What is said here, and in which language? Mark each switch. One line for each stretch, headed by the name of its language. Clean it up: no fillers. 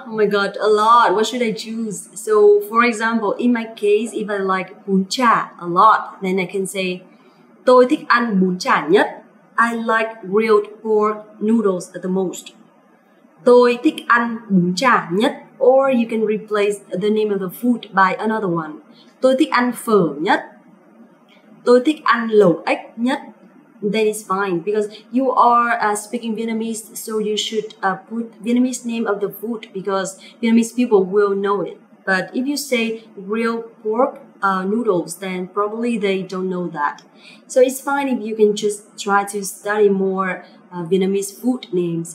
English: Oh my god, a lot. What should I choose? So, for example, in my case, if I like bún chả a lot, then I can say,
Vietnamese: tôi thích ăn bún chả nhất.
English: I like grilled pork noodles the most.
Vietnamese: Tôi thích ăn bún chả nhất.
English: Or you can replace the name of the food by another one.
Vietnamese: Tôi thích ăn phở nhất. Tôi thích ăn lẩu ếch nhất.
English: That is fine because you are speaking Vietnamese, so you should put Vietnamese name of the food because Vietnamese people will know it. But if you say grilled pork noodles, then probably they don't know that. So it's fine if you can just try to study more Vietnamese food names.